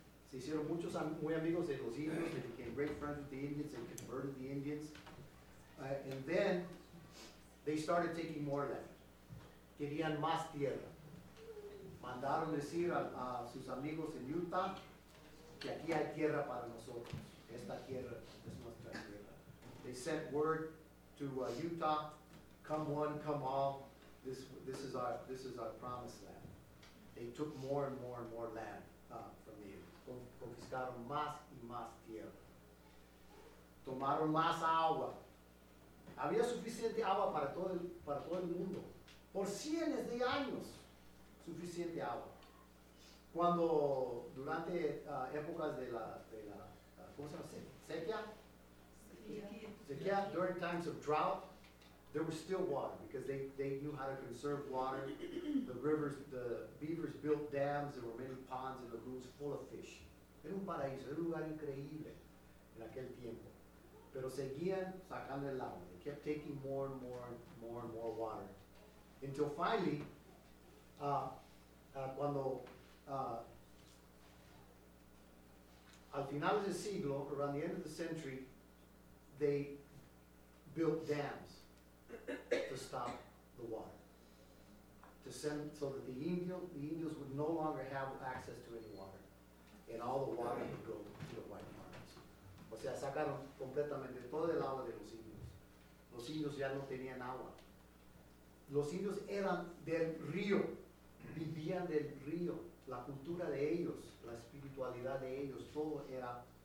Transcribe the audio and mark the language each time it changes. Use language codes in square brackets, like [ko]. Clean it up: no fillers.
[es] Se hicieron muchos muy amigos de los indios, de los [en] great friends with the Indians [es] and converted the Indians. [en] And then they started taking more land. [es] Querían más tierra. Mandaron decir a sus amigos en Utah que aquí hay tierra para nosotros. Esta tierra es nuestra tierra. [en] They sent word to Utah, come one, come all. This is our promised land. They took more and more and more land from the Indians. Confiscaron más y más tierra. Tomaron más agua. Había suficiente agua para todo el mundo. Por cientos de años, suficiente agua. [es] Cuando, durante épocas de la ¿cómo se llama? ¿Sequía? Sequía. [en] During times of drought, there was still water because they knew how to conserve water. The rivers, the beavers built dams. There were many ponds and lagoons full of fish. [es] Era un paraíso, era un lugar increíble en aquel tiempo. Pero seguían sacando el agua. [en] They kept taking more and more and more and more water. Until finally, [es] al final del siglo, [en] around the end of the century, they built dams to stop the water. To send so that the Indians would no longer have access to any water. And all the water would go to the white farmers. [es] O sea, sacaron completamente todo el agua de los indios. Los indios ya no tenían agua. Los indios eran del río, vivían del río. La cultura de ellos, la espiritualidad de ellos, todo era